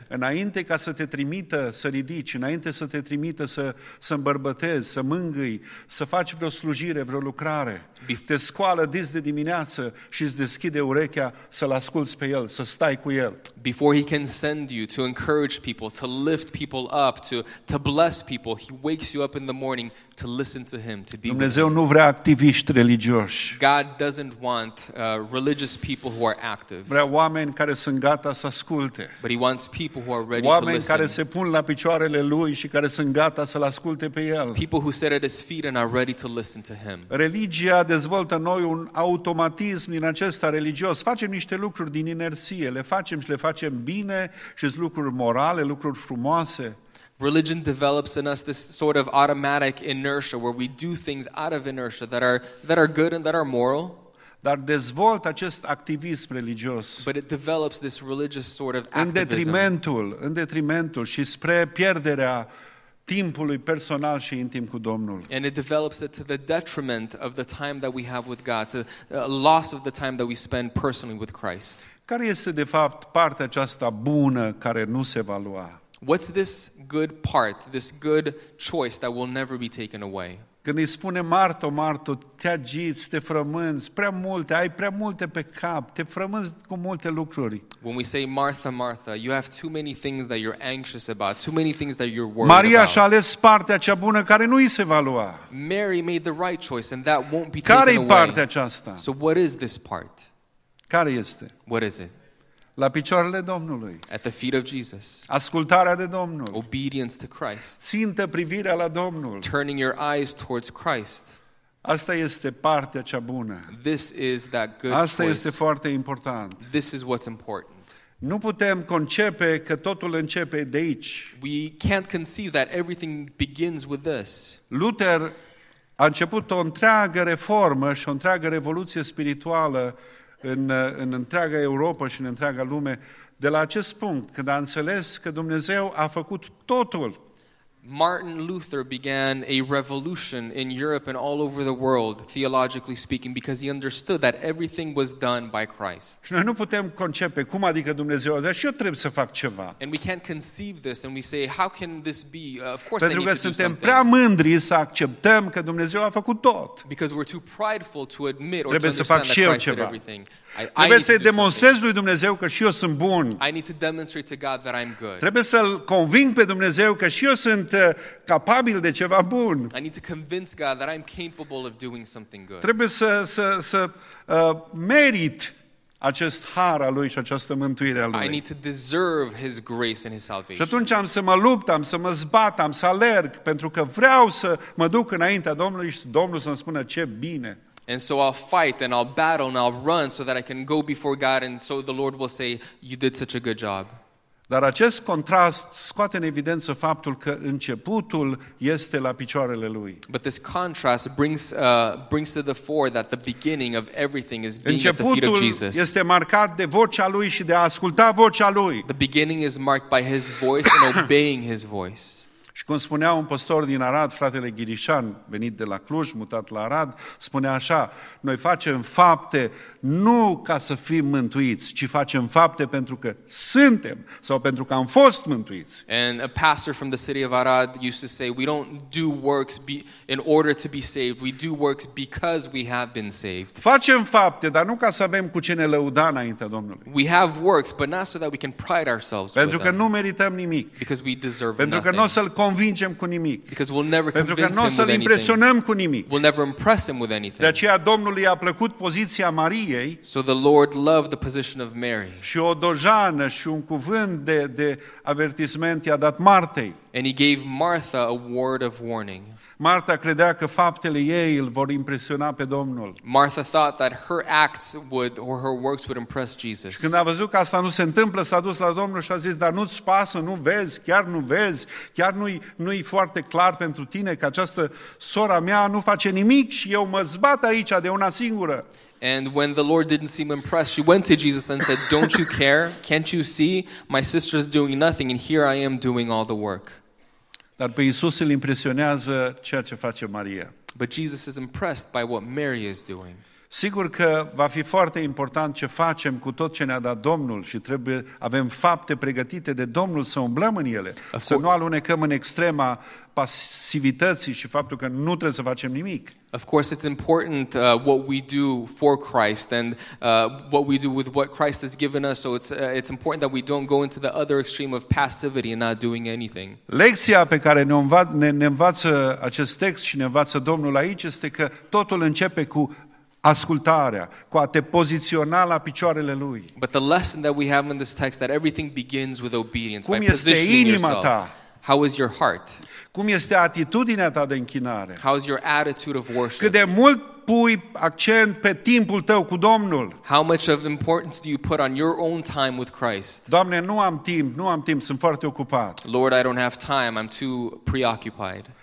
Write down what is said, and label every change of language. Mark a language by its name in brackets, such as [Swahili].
[Romanian] Înainte ca să te trimită să ridici, înainte să te trimită să îmbărbătezi, să mângâi, să faci vreo slujire, vreo lucrare, te scoală dis de dimineață și îți deschide urechea să-l asculți pe el, să stai cu el. [English] Before he can send you to encourage people, to lift people up, to bless people, he wakes you up in the morning to listen to him, to be with him. [Romanian] Dumnezeu nu vrea activiști religioși. [English] God doesn't want religious people who are active. [Romanian] Vrea oameni care sunt gata să asculte. [English] But he wants people who are ready to listen. [Romanian] Oameni care se pun la picioarele lui și care sunt gata să-l asculte pe el. [English] People who sit at his feet and are ready to listen to him. [Romanian] Religia dezvoltă noi un automatism din acesta religios. Facem niște lucruri din inerție, le facem și le facem bine și sunt lucruri morale, lucruri frumoase. [English] Religion develops in us this sort of automatic inertia where we do things out of inertia that are good and that are moral. [Romanian] Dar dezvoltă acest activism religios. [English] But it develops this religious sort of activism. [Romanian] În detrimentul și spre pierderea timpului personal și intim cu Domnul. [English] And it develops it to the detriment of the time that we have with God, to a loss of the time that we spend personally with Christ. [Romanian] Care este de fapt partea aceasta bună care nu se va lua? [English] What's this good part, this good choice that will never be taken away? [Romanian] Când îi spune Marto, Marto, te agiți, te frămânzi, prea multe, ai prea multe pe cap, te frămânzi cu multe lucruri. [English] When we say Martha, Martha, you have too many things that you're anxious about, too many things that you're worried [Romanian] Maria [English] about. [Romanian] Maria și-a ales partea cea bună care nu îi se va lua. [English] Mary made the right choice and that won't be [Romanian] care [English] taken away. [Romanian] Care e partea aceasta? [English] So what is this part? [Romanian] Care este? [English] What is it? [Romanian] La picioarele Domnului. [English] At the feet of Jesus. [Romanian] Ascultarea de Domnul. [English] Obedience to Christ. [Romanian] Țintă privirea la Domnul. [English] Turning your eyes towards Christ. [Romanian] Asta este partea cea bună. [English] This is that good [Romanian] Asta [English] choice. [Romanian] Este foarte important. [English] This is what's important. [Romanian] Nu putem concepe că totul începe de aici. [English] We can't conceive that everything begins with this. [Romanian] Luther a început o întreagă reformă și o întreagă revoluție spirituală în întreaga Europa și în întreaga lume, de la acest punct, când a înțeles că Dumnezeu a făcut totul. [English] Martin Luther began a revolution in Europe and all over the world, theologically speaking, because he understood that everything was done by Christ. [Romanian] Și noi nu putem concepe cum adică Dumnezeu, dar și eu trebuie să fac ceva. [English] And we can't conceive this and we say, how can this be? Of course [Romanian] Pentru [English] I need [Romanian] că suntem prea mândri să acceptăm că Dumnezeu a făcut tot. [English] Because we're too prideful to admit or [Romanian] trebuie [English] to understand [Romanian] să fac [English] that [Romanian] și eu [English] Christ [Romanian] ceva. [English] Did everything. [Romanian] Trebuie să-i demonstrez lui Dumnezeu că și eu sunt bun. [English] I need to demonstrate to God that I'm good. [Romanian] Trebuie să-l conving pe Dumnezeu că și eu sunt capabil de ceva bun. [English] I need to convince God that I'm capable of doing something good. [Romanian] Trebuie să merit acest har al lui și această mântuire a lui. [English] I need to deserve his grace and his salvation. [Romanian] Și atunci am să mă lupt, am să mă zbat, am să alerg pentru că vreau să mă duc înaintea Domnului și Domnul să-mi spună ce bine. [English] And so I'll fight and I'll battle and I'll run so that I can go before God and so the Lord will say you did such a good job. [Romanian] Dar acest contrast scoate în evidență faptul că începutul este la picioarele lui. [English] But this contrast brings to the fore that the beginning of everything is being [Romanian] începutul [English] at the feet of Jesus. [Romanian] Începutul este marcat de vocea lui și de a asculta vocea lui. [English] The beginning is marked by his voice and obeying his voice. [Romanian] Și cum spunea un păstor din Arad, fratele Ghirișan, venit de la Cluj, mutat la Arad, spunea așa: noi facem fapte nu ca să fim mântuiți, ci facem fapte pentru că suntem sau pentru că am fost mântuiți. [English] And a pastor from the city of Arad used to say, we don't do works in order to be saved, we do works because we have been saved. [Romanian] Facem fapte, dar nu ca să avem cu ce ne lăuda înaintea Domnului. [English] We have works, but not so that we can pride ourselves. [Romanian] Pentru că nu merităm nimic. [English] Because we deserve nothing. [Romanian] Pentru că nu convingem cu nimic. [English] Because we'll never convince him with anything. [Romanian] Pentru că nu să-l impresionăm cu nimic. [English] We'll never impress him with anything. [Romanian] De aceea Domnul i-a plăcut poziția Mariei. [English] So the Lord loved the position of Mary. [Romanian] Și o dojană și un cuvânt de avertisment i-a dat Martei. [English] And he gave Martha a word of warning. [Romanian] Marta credea că faptele ei îl vor impresiona pe Domnul. [English] Martha thought that her acts would or her works would impress Jesus. [Romanian] Și când a văzut că asta nu se întâmplă, s-a dus la Domnul și a zis: dar nu-ți pasă, nu vezi, chiar nu vezi, chiar nu-i foarte clar pentru tine că această sora mea nu face nimic și eu mă zbat aici de una singură. [English] And when the Lord didn't seem impressed, she went to Jesus and said, don't you care? Can't you see? My sister's doing nothing and here I am doing all the work. [Romanian] Dar pe Iisus îl impresionează ceea ce face Maria. [English] But Jesus is impressed by what Mary is doing. [Romanian] Sigur că va fi foarte important ce facem cu tot ce ne-a dat Domnul și trebuie avem fapte pregătite de Domnul să umblăm în ele, să nu alunecăm în extrema pasivității și faptul că nu trebuie să facem nimic. [English] Of course it's important what we do for Christ and what we do with what Christ has given us, so it's important that we don't go into the other extreme of passivity and not doing anything. [Romanian] Lecția pe care ne învață acest text și ne învață Domnul aici este că totul începe cu ascultarea, cu a te poziționa la picioarele lui. [English] But the lesson that we have in this text that everything begins with obedience. [Romanian] Cum este inima ta? [English] How is your heart? [Romanian] Cum este atitudinea ta de închinare? [English] How is your attitude of worship? [Romanian] Cât de mult pui accent pe timpul tău cu Domnul? [English] How much of importance do you put on your own time with Christ? [Romanian] Doamne, nu am timp, nu am timp, sunt foarte ocupat. [English] Lord, I don't have time, I'm too preoccupied.